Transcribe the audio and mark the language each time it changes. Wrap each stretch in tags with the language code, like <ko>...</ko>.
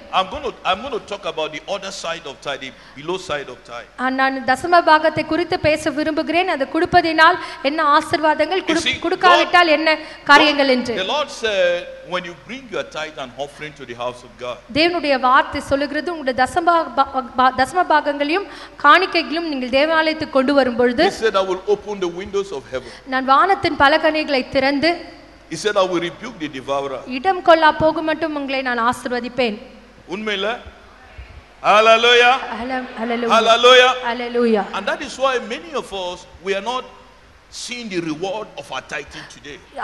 <en>I'm going to talk about the other side of tithe, below side of tithe.</en> <ta>நான் தசம பாகத்தை குறித்து பேச விரும்புகிறேன், அது கொடுப்பதினால் என்ன ஆசீர்வாதங்கள், கொடுக்காவிட்டால் என்ன காரியங்கள் என்று.</ta> <en>The Lord said, when you bring your tithe and offering to the house of God,</en> <ta>தேவனுடைய வார்த்தை சொல்லுகிறது, உங்கள் தசம பாகங்களையும் காணிக்கைகளையும் நீங்கள் தேவாலயத்துக்கு கொண்டு வரும்பொழுது,</ta> <en>He said, I will open the windows of heaven.</en> <ta>நான் வானத்தின் பலகணிகளை திறந்து,</ta> <en>He said, I will rebuke the devourer.</en> <ta>இடம் கொள்ளா போகுமட்டும் உங்களை நான் ஆசீர்வதிப்பேன். உண்மையில Hallelujah.</ta> <en>Hallelujah. Hallelujah. And that is why many of us, we are not seeing the reward of our tithing today.</en>